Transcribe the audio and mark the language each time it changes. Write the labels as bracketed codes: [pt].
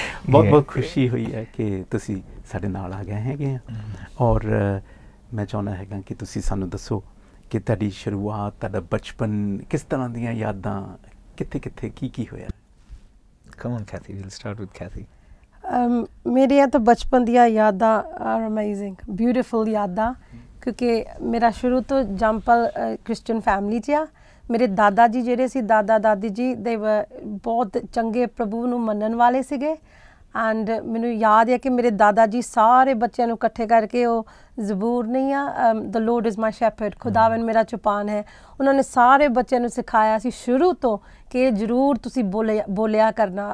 [pa] ਬਹੁਤ ਬਹੁਤ ਖੁਸ਼ੀ ਹੋਈ ਹੈ ਕਿ ਤੁਸੀਂ ਸਾਡੇ ਨਾਲ ਆ ਗਏ ਹੈਗੇ ਆ। ਔਰ ਮੈਂ ਚਾਹੁੰਦਾ ਹੈਗਾ ਕਿ ਤੁਸੀਂ ਸਾਨੂੰ ਦੱਸੋ ਕਿ ਤੁਹਾਡੀ ਸ਼ੁਰੂਆਤ, ਤੁਹਾਡਾ ਬਚਪਨ ਕਿਸ ਤਰ੍ਹਾਂ ਦੀਆਂ ਯਾਦਾਂ, ਕਿੱਥੇ ਕਿੱਥੇ ਕੀ ਹੋਇਆ। [en] Come on, Cathy, we'll start with Cathy. [pa] ਮੇਰੀਆਂ ਤਾਂ ਬਚਪਨ ਦੀਆਂ ਯਾਦਾਂ [en] are amazing, beautiful [pa] ਯਾਦਾਂ, ਕਿਉਂਕਿ ਮੇਰਾ ਸ਼ੁਰੂ ਤੋਂ ਜੰਪਲ ਕ੍ਰਿਸਚਨ ਫੈਮਿਲੀ 'ਚ ਆ। ਮੇਰੇ ਦਾਦਾ ਜੀ ਜਿਹੜੇ ਸੀ, ਦਾਦਾ ਦਾਦੀ ਜੀ, ਦੇ ਬਹੁਤ ਚੰਗੇ ਪ੍ਰਭੂ ਨੂੰ ਮੰਨਣ ਵਾਲੇ ਸੀਗੇ। ਐਂਡ ਮੈਨੂੰ ਯਾਦ ਹੈ ਕਿ ਮੇਰੇ ਦਾਦਾ ਜੀ ਸਾਰੇ ਬੱਚਿਆਂ ਨੂੰ ਇਕੱਠੇ ਕਰਕੇ, ਉਹ ਜ਼ਬੂਰ ਨਹੀਂ ਆ, [en] the Lord is my shepherd, [pa] ਖੁਦਾਵੰਦ ਮੇਰਾ ਚੁਪਾਨ ਹੈ, ਉਹਨਾਂ ਨੇ ਸਾਰੇ ਬੱਚਿਆਂ ਨੂੰ ਸਿਖਾਇਆ ਸੀ ਸ਼ੁਰੂ ਤੋਂ ਕਿ ਜ਼ਰੂਰ ਤੁਸੀਂ ਬੋਲਿਆ ਕਰਨਾ।